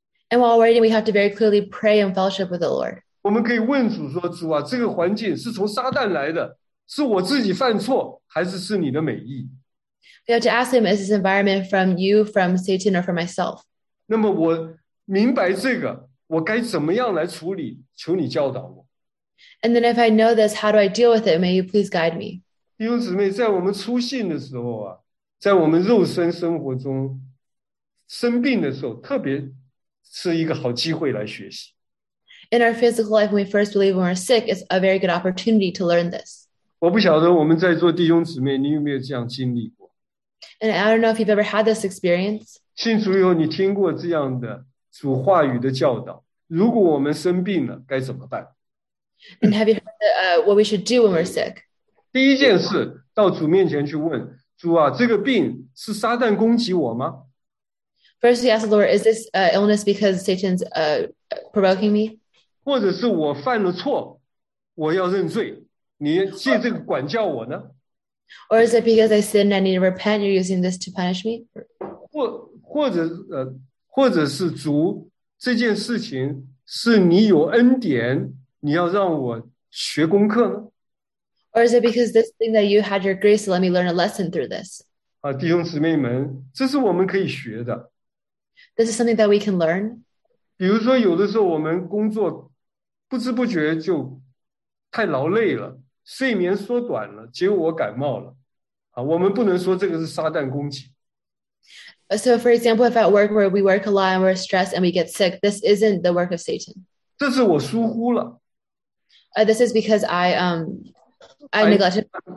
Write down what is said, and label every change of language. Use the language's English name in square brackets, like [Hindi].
[English] And while waiting, we have to very clearly pray and fellowship with the Lord. [Chinese] 我们可以问主说，主啊，这个环境是从撒旦来的，是我自己犯错，还是是你的美意？ [English] We have to ask him, is this environment from you, from Satan, or from myself? [Chinese] 那么我明白这个，我该怎么样来处理？求你教导我。 [English] And then if I know this, how do I deal with it? May you please guide me. [Chinese] 弟兄姊妹，在我们出信的时候啊，在我们肉身生活中生病的时候，特别是一个好机会来学习。 [English] In our physical life, when we first believe when we're sick, it's a very good opportunity to learn this. [Chinese] 我不晓得我们在座弟兄姊妹，你有没有这样经历过 [English] ？And I don't know if you've ever had this experience. [Chinese] 信主以后，你听过这样的主话语的教导，如果我们生病了，该怎么办 [English] ？And have you heard what we should do when we're sick? [Chinese] 第一件事，到主面前去问。主啊，这个病是撒旦攻击我吗 [English] ？First, he asked the Lord, "Is this illness because Satan's provoking me?" [Chinese] 或者是我犯了错，我要认罪，你借这个管教我呢 [English] ？Or is it because I sinned and I need to repent? You're using this to punish me? [Chinese] 或者是主，这件事情是你有恩典，你要让我学功课呢？ [English] Or is it because this thing that you had your grace, let me learn a lesson through this? [Chinese] 弟兄姊妹们，这是我们可以学的。 [English] This is something that we can learn. [Chinese] 比如说有的时候我们工作不知不觉就太劳累了，睡眠缩短了，结果我感冒了。我们不能说这个是撒旦攻击。 [English] So for example, if at work where we work a lot and we're stressed and we get sick, this isn't the work of Satan. [Chinese] 这是我疏忽了。 [English] This is because I neglected.